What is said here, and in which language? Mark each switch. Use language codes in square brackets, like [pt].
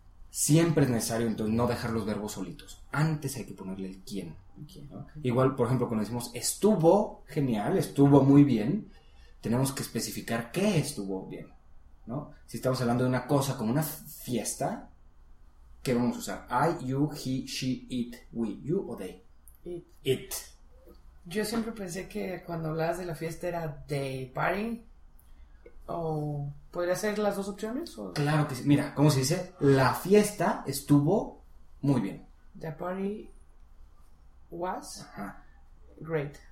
[es] Siempre es necesario, entonces, no dejar los verbos solitos. Antes hay que ponerle el quién. ¿No? Igual, por ejemplo, cuando decimos estuvo genial, estuvo muy bien, tenemos que especificar qué estuvo bien, ¿no? Si estamos hablando de una cosa como una fiesta, ¿qué vamos a usar? [en] I, you, he, she, it, we, you o they. It. [es] Yo siempre pensé que cuando hablabas de la fiesta era de party. ¿Podría ser las dos opciones? ¿O? Claro que sí. Mira, ¿cómo se dice? La fiesta estuvo muy bien. [en] The party was great.